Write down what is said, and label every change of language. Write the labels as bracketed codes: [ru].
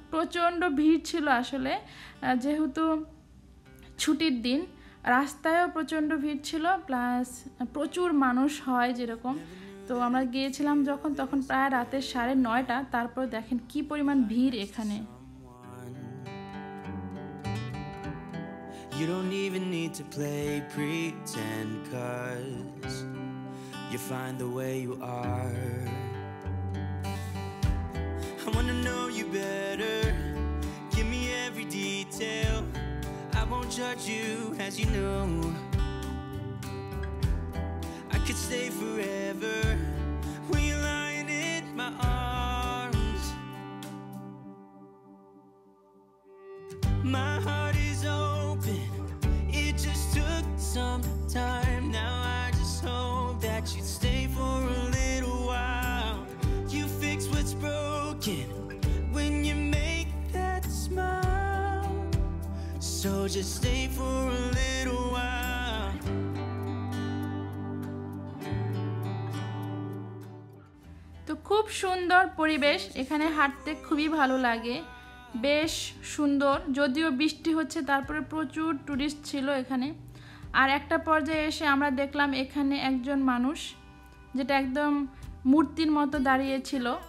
[bn] প্রচণ্ড ভিড় ছিল আসলে, যেহেতু ছুটির দিন রাস্তায়ও প্রচণ্ড ভিড় ছিল, প্লাস প্রচুর মানুষ হয় যেরকম। তো আমরা গিয়েছিলাম যখন তখন প্রায় রাতের 9:30, তারপর দেখেন কি পরিমাণ ভিড় এখানে। [en] You don't even need to play pretend, 'cause you find the way you are. I wanna know you better, give me every detail, I won't judge you as you know. I could stay forever, will you lying in my arms? My heart is open, it just took some time, now I just hope that you'd stay for a little while. You fix what's broken when you make that smile, so just stay for a little while. [bn] খুব সুন্দর পরিবেশ এখানে, হাঁটতে খুবই ভালো লাগে, বেশ সুন্দর। যদিও বৃষ্টি হচ্ছে, তারপরে প্রচুর টুরিস্ট ছিল এখানে। আর একটা পর্যায়ে এসে আমরা দেখলাম এখানে একজন মানুষ যেটা একদম মূর্তির মতো দাঁড়িয়ে ছিল।